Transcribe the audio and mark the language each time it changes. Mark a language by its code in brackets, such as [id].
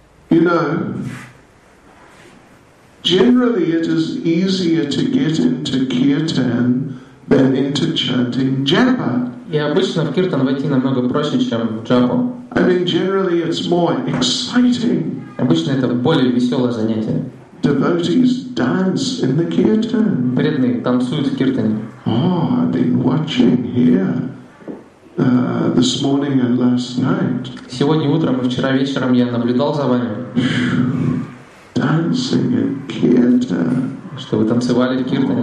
[en] You know, generally it is easier to get into kirtan than into chanting japa. [ru] И обычно в киртан войти намного проще, чем в джапу. [en] I mean, generally it's more exciting. [ru] Обычно это более веселое занятие. [en] Devotees dance in the kirtan. [ru] Преданные танцуют в киртане. [en] Oh, I've been watching here this morning and last night. [ru] Сегодня утром и вчера вечером я наблюдал за вами. [en] Dancing in kirtan. [ru] Что вы танцевали в киртане?